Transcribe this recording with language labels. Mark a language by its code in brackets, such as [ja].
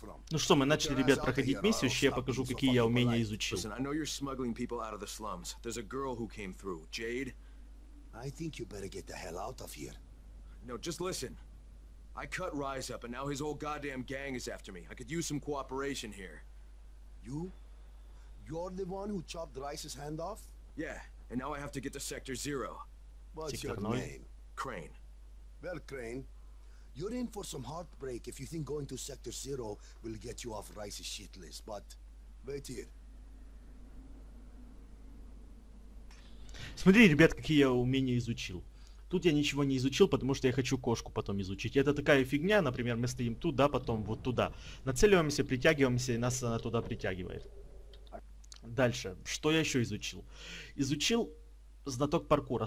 [ru] Ну что, мы начали, ребят, проходить миссию, сейчас я покажу, какие я умения изучил. [en] Listen, I know you're smuggling people out of the slums. There's a girl who came through, Jade. I think you better get the hell out of here. No, just listen. I cut Rise up, and now his whole goddamn gang is after me. I could use some cooperation here. You? You're the one who chopped Rise's hand off? Yeah, and now I have to get to Sector Zero. What's your name? Crane. Well, Crane. You're in for some heartbreak if you think going to Sector Zero will get you off Rice's shit list, but wait here. [ru] Смотри, ребят, какие я умения изучил. Тут я ничего не изучил, потому что я хочу кошку потом изучить. Это такая фигня, например, мы стоим туда, потом вот туда. Нацеливаемся, притягиваемся, и нас она туда притягивает. Дальше. Что я еще изучил? Изучил... Знаток паркура.